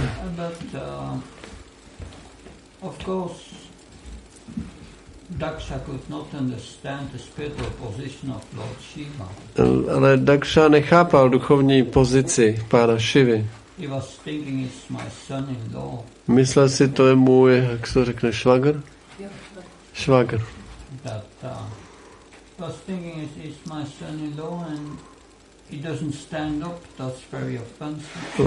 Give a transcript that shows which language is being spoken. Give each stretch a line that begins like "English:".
English: But of course, Daksha could not understand the spiritual position of Lord Shiva.
Czech: Ale Daksha nechápal duchovní pozici pána Šivy.
English: He was thinking it's my son-in-law.
Czech: Myslel si, to je můj, jak se řekne, švagr? Yeah. Švagr.
English: But was thinking it's my son-in-law and he doesn't stand up, that's very offensive.